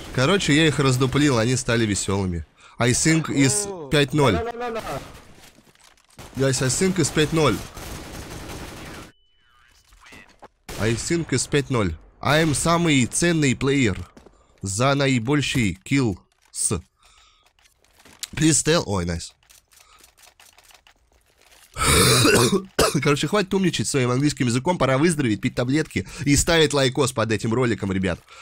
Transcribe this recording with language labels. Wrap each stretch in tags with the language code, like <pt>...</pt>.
<ru>Короче, я их раздуплил, они стали веселыми.</ru> <en>I think is 5-0. Guys, I think is 5-0. I think is 5-0. I am</en> <ru>самый ценный плеер. За наибольший килл с...</ru> <en>Please tell...</en> <ru>Ой,</ru> <en>oh, nice.</en> <ru>Короче, хватит умничать своим английским языком, пора выздороветь, пить таблетки и ставить лайкос под этим роликом, ребят.</ru>